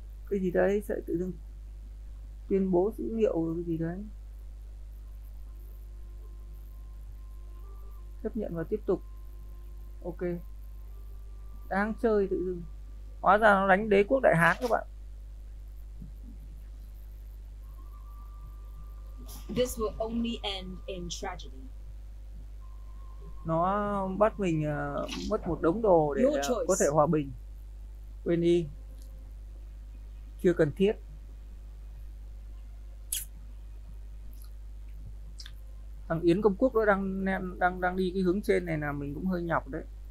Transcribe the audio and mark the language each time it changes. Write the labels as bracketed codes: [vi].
[vi] Cái gì đấy, sẽ tự dưng tuyên bố dữ liệu cái gì đấy. Chấp nhận và tiếp tục. Ok. Đang chơi tự dưng. Hóa ra nó đánh Đế quốc Đại Hán các bạn. [en] This will only end in tragedy. [vi] Nó bắt mình mất một đống đồ để có thể hòa bình. Quên đi. Chưa cần thiết. Thằng Yến Công Quốc nó đang đi cái hướng trên này là mình cũng hơi nhọc đấy.